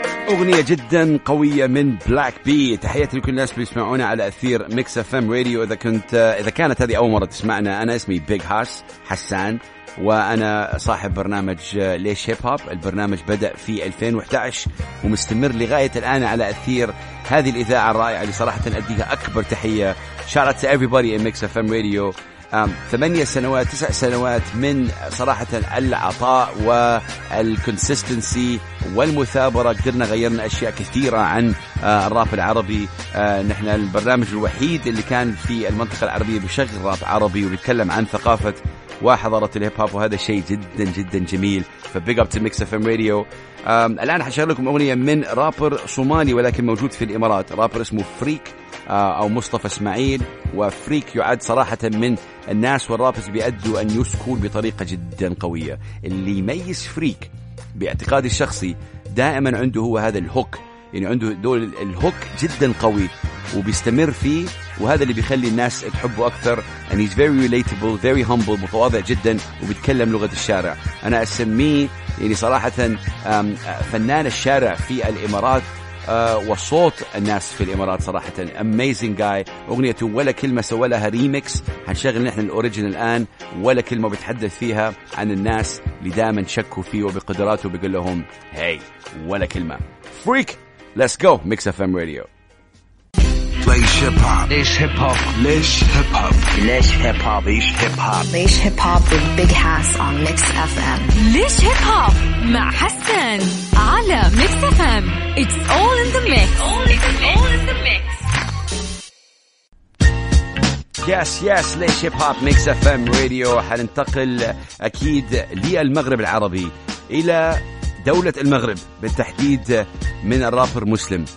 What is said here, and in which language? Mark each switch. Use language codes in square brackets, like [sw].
[ar] أغنية جدا قوية من بلاك بي. تحياتي لكل الناس اللي يسمعونا على أثير ميكس اف ام راديو. إذا كانت هذه أول مرة تسمعنا, أنا اسمي بيج هاس حسان, وأنا صاحب برنامج ليش هيب هوب. البرنامج بدأ في 2011 ومستمر لغاية الآن على أثير هذه الإذاعة الرائعة اللي صراحة أديها أكبر تحية. [en] Shout out to everybody in mix F M radio. [ar] 8 سنوات 9 سنوات من صراحة العطاء والكونسيستنسي والمثابرة, قدرنا غيرنا أشياء كثيرة عن الراب العربي. نحن البرنامج الوحيد اللي كان في المنطقة العربية بيشغل راب عربي وبيتكلم عن ثقافة وحضارة الهيب هوب, وهذا شيء جدا جدا جميل. فبيج اب تو ميكس اف ام راديو. الآن حشغل لكم أغنية من رابر صومالي ولكن موجود في الإمارات, رابر اسمه فريك أو مصطفى إسماعيل. وفريك يعد صراحة من الناس والرابرز بيأدوا النيو سكول بطريقة جدا قوية. اللي يميز فريك باعتقادي الشخصي دائما عنده هو هذا الهوك, يعني عنده دول الهوك جدا قوي وبيستمر فيه, وهذا اللي بيخلي الناس تحبه أكثر. [en] and he's very relatable, very humble, [ar] متواضع جدا وبيتكلم لغة الشارع. أنا أسميه يعني صراحة فنان الشارع في الإمارات, وصوت الناس في الإمارات صراحة [en] amazing guy. [ar] أغنية ولا كلمة سوى لها ريميكس, هنشغل نحن الأوريجينال الآن. ولا كلمة بتحدث فيها عن الناس اللي دائما شكوا فيه وبقدراته, بيقول لهم hey ولا كلمة. [en] Freak, let's go Mix FM Radio. [ar] ليش هيب هوب, ليش هيب هوب, ليش هيب هوب, ليش هيب هوب, ليش هيب هوب, ليش هيب هوب [en] with Big Hass on Mix FM. [ar] ليش هيب هوب مع حسن على Mix FM. [en] It's all in the mix. It's all in the mix. [ar] يس يس ليش هيب هوب ميكس اف ام راديو. حننتقل اكيد للمغرب العربي الى دولة المغرب بالتحديد من الرابر مسلم.